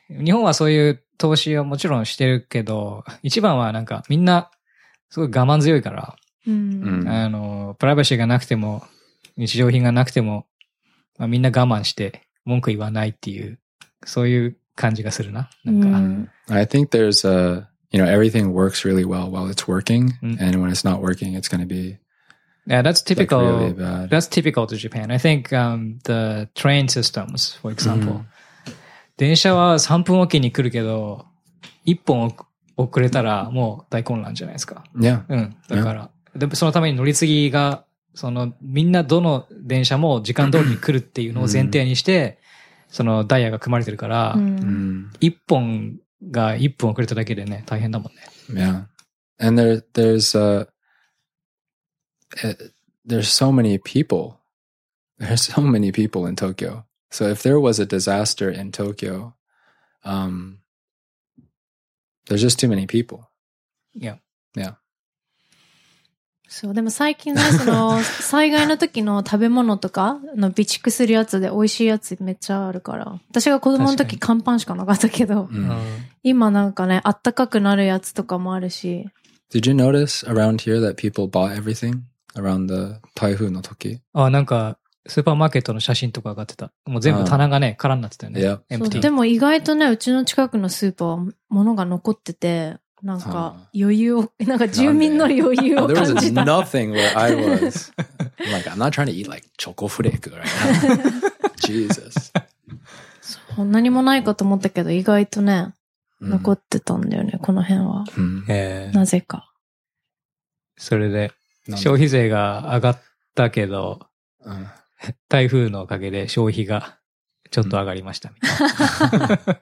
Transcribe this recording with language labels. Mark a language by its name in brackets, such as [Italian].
[Japanese] 日本はそういう投資をもちろんしてるけど、一番はなんかみんなすごい我慢強いから、あの、プライバシーがなくても、日常品がなくても、まあ、みんな我慢して文句言わないっていう、そういう感じがするな。なんか。 [English] I think there's a, you know, everything works really well while it's working, and when it's not working, it's going to be, yeah, that's typical. Like really bad. That's typical to Japan. I think, the train systems, for example. [Japanese] 電車は3分おきに来るけど、1分遅れたらもう大混乱じゃないですか。 [English] Yeah. [Japanese] うん。だから、yeah. でそのために乗り継ぎが、そのみんなどの電車も時間通りに来るっていうのを前提にして、そのダイヤが組まれてるから、1本が1分遅れただけでね、大変だもんね。 [English] Yeah. And there's so many people. There's so many people in Tokyo. So if there was a disaster in Tokyo, there's just too many people. Yeah. Yeah. [Japanese] そう、でも最近ね、その災害の時の食べ物とかの備蓄するやつで美味しいやつめっちゃあるから。私が子供の時乾パンしかなかったけど、今なんかね、暖かくなるやつとかもあるし。 [English] Did you notice around here that people bought everything? Around the [Japanese] 台風の時。あ、なんか、スーパーマーケットの写真とか上がってた。もう全部棚がね、空になってたよね。 [English] Yeah. [Japanese] でも意外とね、うちの近くのスーパー、物が残ってて、なんか、余裕を、なんか住民の余裕を感じた。 [English] There was nothing where I was. Like, I'm not trying to eat like choco flake right now. Jesus. [Japanese] そう、何もないかと思ったけど、意外とね、残ってたんだよね、この辺は。なぜか。それで、消費税が上がったけど、台風のおかげで消費がちょっと上がりましたみたいな。